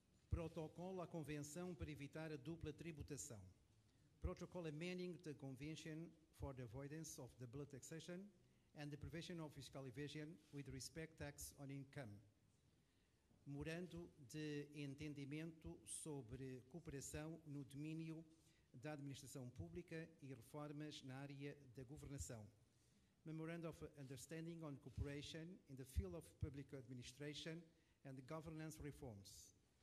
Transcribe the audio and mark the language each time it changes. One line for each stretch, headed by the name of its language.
Portuguese: Protocolo à Convenção para evitar a dupla tributação.
English: Protocol amending the Convention for the Avoidance of Double Taxation and the Prevention of Fiscal Evasion with Respect Tax on Income.
Portuguese: Memorando de entendimento sobre cooperação no domínio da administração pública e reformas na área da governação.
English: Memorandum of Understanding on Cooperation in the Field of Public Administration and Governance Reforms.